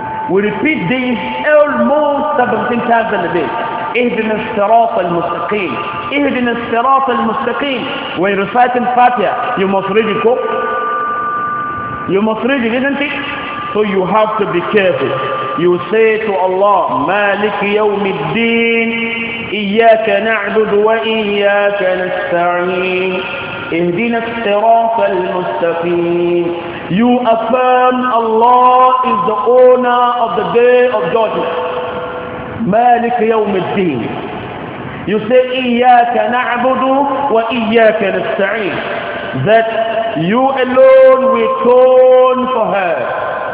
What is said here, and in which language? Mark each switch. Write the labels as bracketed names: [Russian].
[English] We repeat these almost 17 times in a day. [Arabic] اِهْدِنَ الصِّرَاطَ الْمُسْتَقِيمِ اِهْدِنَ الصِّرَاطَ الْمُسْتَقِيمِ. [English] When you recite in Fatiha, you must read it, cook. You must read it, isn't it? So you have to be careful. You say to Allah, [Arabic] مَالِكِ يَوْمِ الدِّينِ إِيَّاكَ نَعْبُدُ وَإِيَّاكَ نَسْتَعِينِ اِهْدِنَ الصِّرَاطَ الْمُسْتَقِيمِ. [English] You affirm Allah is the owner of the day of judgment. [Arabic] مالك يوم الدين. [English] You say [Arabic] إياك نعبد وإياك نستعين, [English] that you alone we turn for help.